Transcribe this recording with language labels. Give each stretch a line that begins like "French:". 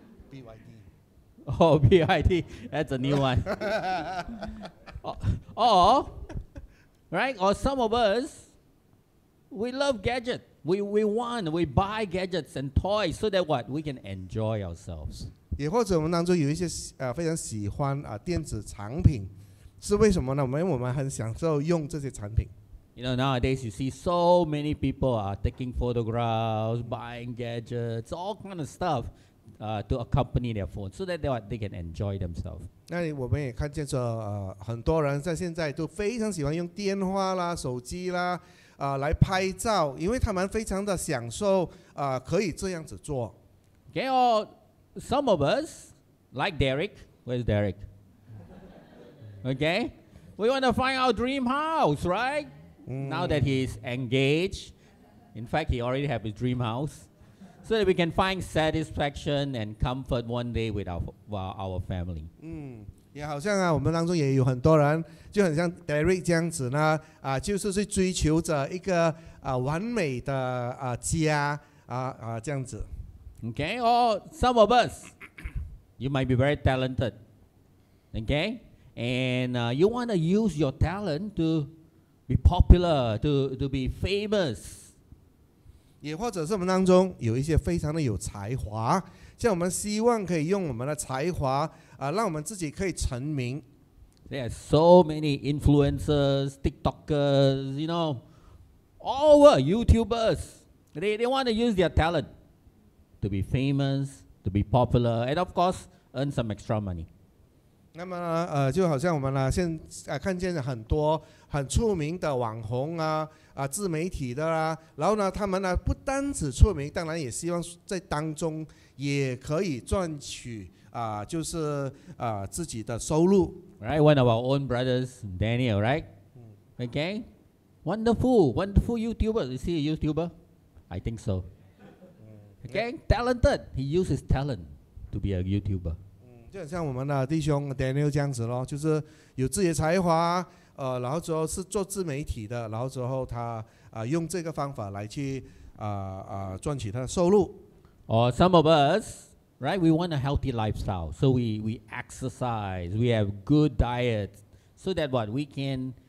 English: BYD. Oh, BYD. That's a new one. right? Or some of us, we love gadgets. We buy gadgets and toys so that what we can enjoy ourselves.
Chinese: 也或者我们当中有一些非常喜欢电子产品，是为什么呢？我们很享受用这些产品。
English: You know, nowadays you see so many people are taking photographs, buying gadgets, all kind of stuff, to accompany their phone, so that they can enjoy themselves.
Chinese: 那我们也看见说很多人在现在都非常喜欢用电话啦、手机啦，来拍照，因为他们非常的享受可以这样子做。
English: Okay, Some of us, like Derek, where's Derek? Okay, we want to find our dream house, right? Now that he's engaged, in fact, he already have his dream house, so that we can find satisfaction and comfort one day with our family.
Chinese: 也好像啊，我们当中也有很多人，就很像 Derek 这样子呢，就是去追求着一个完美的家这样子。
English: Okay, or some of us, you might be very talented, okay, and you want to use your talent to be popular, to be famous.
Chinese: 也或者是我们当中有一些非常的有才华，像我们希望可以用我们的才华让我们自己可以成名。
English: There are so many influencers, TikTokers, you know, all over YouTubers. They want to use their talent. To be famous, to be popular, and of course, earn some extra money.
Chinese: 那么呢，就好像我们呢，现看见很多很出名的网红自媒体的啦，然后呢，他们呢不单只出名，当然也希望在当中也可以赚取就是自己的收入。
English: Right, one of our own brothers, Daniel, right? Okay, wonderful YouTuber. Is he a YouTuber? I think so. Okay, talented. He uses his talent to be a YouTuber.
Chinese: 就很像我们的弟兄 Daniel 这样子咯，就是有自己的才华，然后之后是做自媒体的，然后之后他用这个方法来去赚取他的收入。
English: Or some of us, right? We want a healthy lifestyle, so we exercise, we have good diet, so that what we can